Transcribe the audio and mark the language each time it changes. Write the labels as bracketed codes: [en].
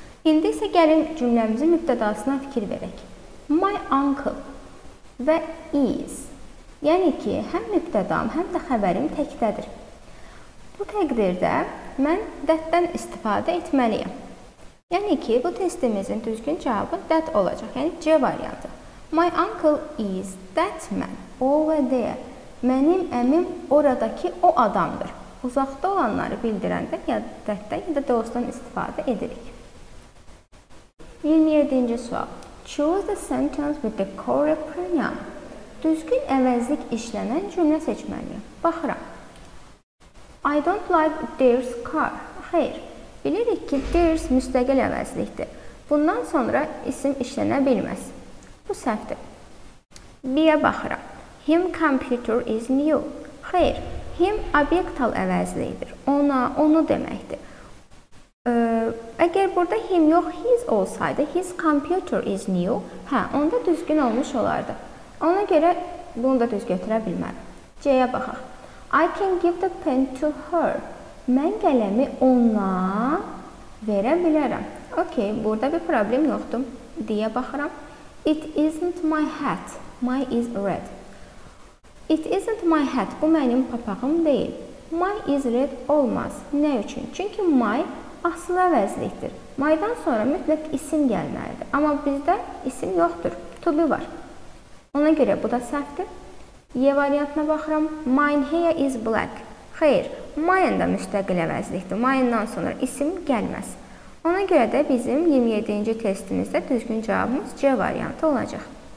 [az] İndi isə gəlin cümləmizin mübtədasına fikir verək. [en] My uncle [az] və is. Yəni ki, həm mübtədam, həm də xəbərim təkdədir. Bu təqdirdə mən that-dən istifadə etməliyim. Yəni ki, bu testimizin düzgün cavabı that olacaq, yəni C variantı. [en] My uncle is that man over there. [az] Mənim əmim oradakı o adamdır. Uzaqda olanları bildirəndə ya dətdən ya da dostdan istifadə edirik. 27-ci sual. [en] Choose the sentence with the correct pronoun. [az] Düzgün əvəzlik işlənən cümlə seçməliyim. Baxıram. [en] I don't like there's car. [az] Xeyr. Bilirik ki, there's müstəqil əvəzlikdir. Bundan sonra isim işlənə bilməz. Bu səhvdir. B-yə baxıram. [en] Him computer is new. [az] Xeyr, him obyektal əvəzliyidir. Ona, onu deməkdir. Əgər burada him yox, his olsaydı, [en] his computer is new, [az] hə, onda düzgün olmuş olardı. Ona görə bunu da düz götürə bilmərəm. C-yə baxaq. [en] I can give the pen to her. [az] Mən qələmi ona verə bilərəm. Okey, burada bir problem yoxdur. D-yə baxıram. [en] It isn't my hat. My is red. It isn't my hat. [az] Bu mənim papağım deyil. [en] My is red [az] olmaz. Nə üçün? Çünki my asıl əvəzlikdir. My-dan sonra mütləq isim gəlməlidir. Amma bizdə isim yoxdur. To be var. Ona görə bu da səhvdir. Y variantına baxıram. [en] Mine here is black. [az] Xeyr, mine da müstəqil əvəzlikdir. Mine-dan sonra isim gəlməz. Ona görə də bizim 27-ci testimizdə düzgün cavabımız C variantı olacaq.